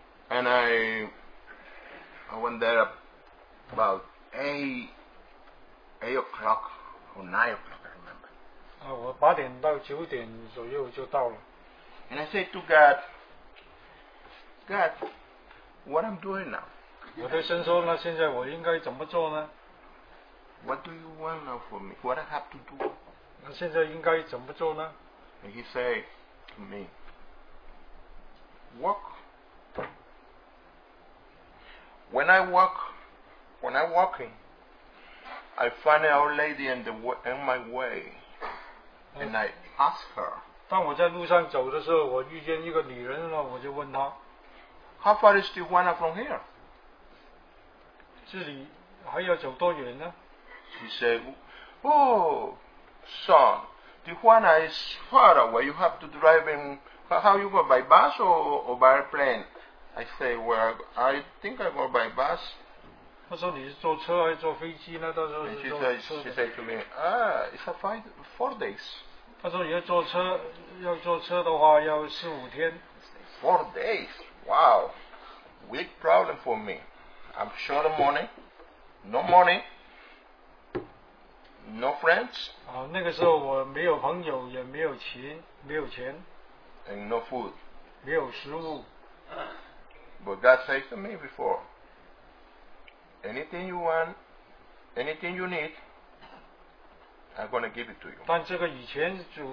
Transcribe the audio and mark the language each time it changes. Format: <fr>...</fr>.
<en>And I went there about 8 o'clock or 9 o'clock, I remember.</en> <zh>我8点到9点左右就到了。</zh> <en>And I said to God, God, what I'm doing now?</en> <zh>我对神说，那现在我应该怎么做呢？</zh> <en>What do you want now for me? What I have to do?</en> <zh>那现在应该怎么做呢？</zh> <en>And he said to me, walk. When I'm walking, I find an old lady in my way, and I ask her,</en> <zh>当我在路上走的时候，我遇见一个女人了，我就问她，</zh> <en>How far is Tijuana from here?</en> <zh>这里还要走多远呢？</zh> <en>She said, Oh, son, Tijuana is far away. You have to drive in. How you go, by bus or by plane? I say, well, I think I go by bus.</en> <zh>她说你是坐车还是坐飞机呢？</zh> <en>And she said to me, Ah, it's a 4 days.</en> <zh>她说你要坐车的话要四五天。</zh> <en>4 days? Wow. Big problem for me. I'm short of money. No money. No friends.</en> <zh>那个时候我没有朋友，也没有钱。</zh> <en>And no food.</en> <zh>没有食物。</zh> <en>But God said to me before, anything you want, anything you need, I'm going to give it to you.</en>